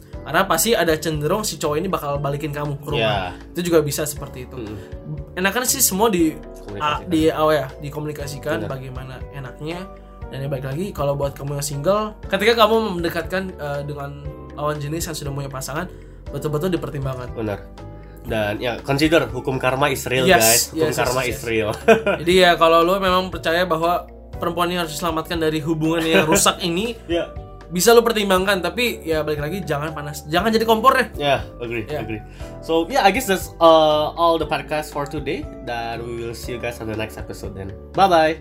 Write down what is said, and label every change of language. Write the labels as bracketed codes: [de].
[id] Karena pasti ada cenderung si cowok ini bakal balikin kamu ke rumah. Itu juga bisa seperti itu. Enakan sih semua dikomunikasikan. Benar. Bagaimana enaknya. Dan ya baik lagi, kalau buat kamu yang single, ketika kamu mendekatkan dengan lawan jenis yang sudah punya pasangan, betul-betul dipertimbangkan. Benar. Dan ya, consider hukum karma [en] is real, guys. [id] Hukum karma [en] is real. [id] Jadi ya, kalau lo memang percaya bahwa perempuan ini harus diselamatkan dari hubungan yang rusak ini, bisa lo pertimbangkan. Tapi ya balik lagi, jangan panas, jangan jadi kompor deh. [en] Agree. So yeah, I guess that's all the podcast for today. Dan we will see you guys on the next episode then. Bye-bye.